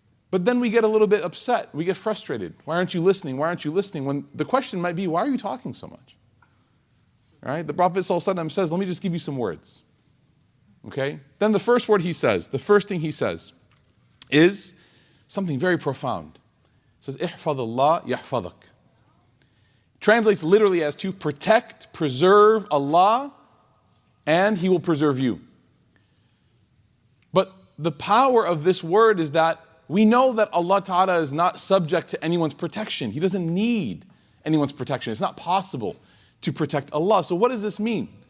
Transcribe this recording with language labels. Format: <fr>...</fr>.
<en>But then we get a little bit upset. We get frustrated. Why aren't you listening? Why aren't you listening? When the question might be, why are you talking so much? Right? The Prophet ﷺ says, let me just give you some words. Okay? Then the first word he says, the first thing he says is something very profound. It says,</en> <ar>احفظ الله يحفظك.</ar> <en>Translates literally as to protect, preserve Allah, and He will preserve you. But the power of this word is that we know that Allah Ta'ala is not subject to anyone's protection. He doesn't need anyone's protection. It's not possible to protect Allah. So what does this mean?</en>